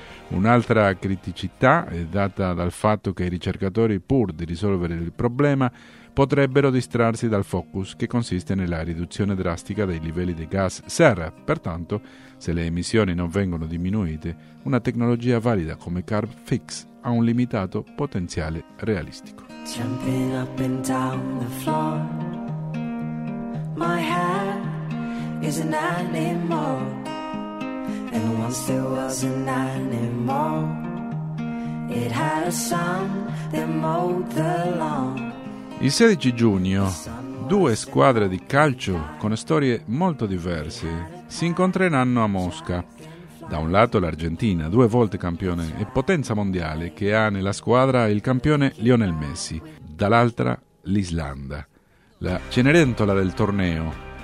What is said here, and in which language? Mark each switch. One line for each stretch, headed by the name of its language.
Italian: Un'altra criticità è data dal fatto che i ricercatori, pur di risolvere il problema, potrebbero distrarsi dal focus che consiste nella riduzione drastica dei livelli di gas serra. Pertanto, se le emissioni non vengono diminuite, una tecnologia valida come Carbfix ha un limitato potenziale realistico.
English: Jumping up and down the floor. My hat is an animal, and once there was an animal. It had a son that mowed the lawn.
Italian: Il 16 giugno, due squadre di calcio con storie molto diverse si incontreranno a Mosca. Da un lato l'Argentina, due volte campione e potenza mondiale, che ha nella squadra il campione Lionel Messi. Dall'altra l'Islanda, la Cenerentola del torneo.